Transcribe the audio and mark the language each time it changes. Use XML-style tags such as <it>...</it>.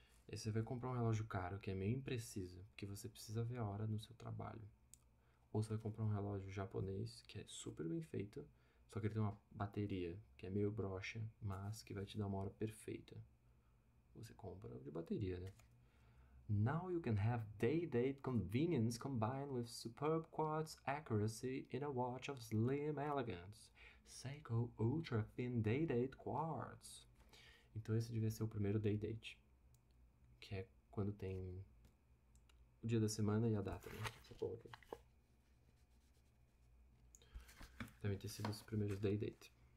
<pt>Aí você vai comprar um relógio caro que é meio impreciso, que você precisa ver a hora no seu trabalho. Ou você vai comprar um relógio japonês que é super bem feito, só que ele tem uma bateria que é meio broxa, mas que vai te dar uma hora perfeita. Você compra de bateria, né?</pt> <en>Now you can have day-date convenience combined with superb quartz accuracy in a watch of slim elegance. Seiko Ultra Thin Day-Date Quartz.</en> <pt>Então esse devia ser o primeiro day-date. Que é quando tem o dia da semana e a data, né? Essa porra aqui. Devem ter sido os primeiros day-date.</pt>